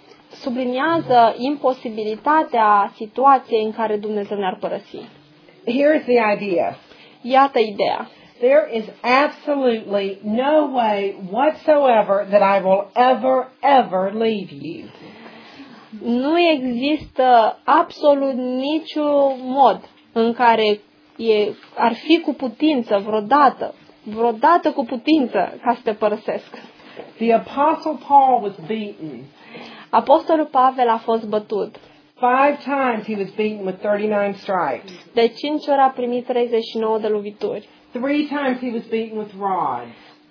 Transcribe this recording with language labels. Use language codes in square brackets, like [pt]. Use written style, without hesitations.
[ro] Subliniază imposibilitatea situației în care Dumnezeu ne-ar părăsi. [en] Here is the idea. [ro] Iată ideea. [en] There is absolutely no way whatsoever that I will ever, ever leave you. [ro] Nu există absolut niciun mod în care ar fi cu putință vreodată cu putință ca să te părăsesc. [en] The Apostle Paul was beaten. [ro] Apostolul Pavel a fost bătut. [en] 5 times he was beaten with 39 stripes. [ro] De 5 ori a primit 39 de lovituri. [en] 3 times he was beaten with rods.